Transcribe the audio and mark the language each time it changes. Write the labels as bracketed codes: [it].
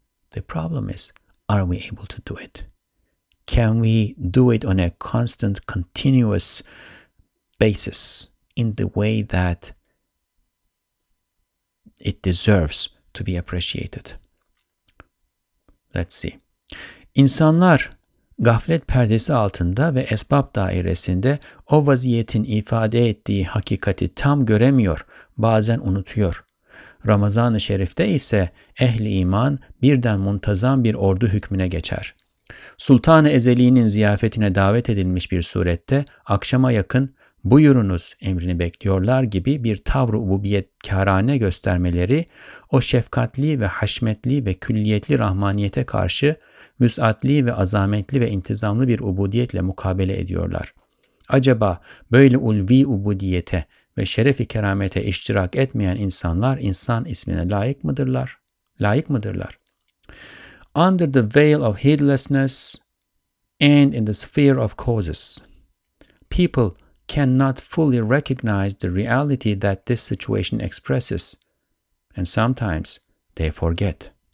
[en] The problem is, are we able to do it? Can we do it on a constant, continuous basis in the way that it deserves to be appreciated? Let's see. [tr] İnsanlar gaflet perdesi altında ve esbab dairesinde o vaziyetin ifade ettiği hakikati tam göremiyor, bazen unutuyor. Ramazan-ı Şerif'te ise ehli iman birden muntazam bir ordu hükmüne geçer. Sultan-ı Ezeli'nin ziyafetine davet edilmiş bir surette akşama yakın buyurunuz emrini bekliyorlar gibi bir tavr-ı ububiyetkârâne göstermeleri o şefkatli ve haşmetli ve külliyetli rahmaniyete karşı müs'atli ve azametli ve intizamlı bir ubudiyetle mukabele ediyorlar. Acaba böyle ulvi ubudiyete ve şerefi keramete iştirak etmeyen insanlar insan ismine layık mıdırlar? Layık mıdırlar? [en] Under the veil of heedlessness and in the sphere of causes, people cannot fully recognize the reality that this situation expresses, and sometimes they forget.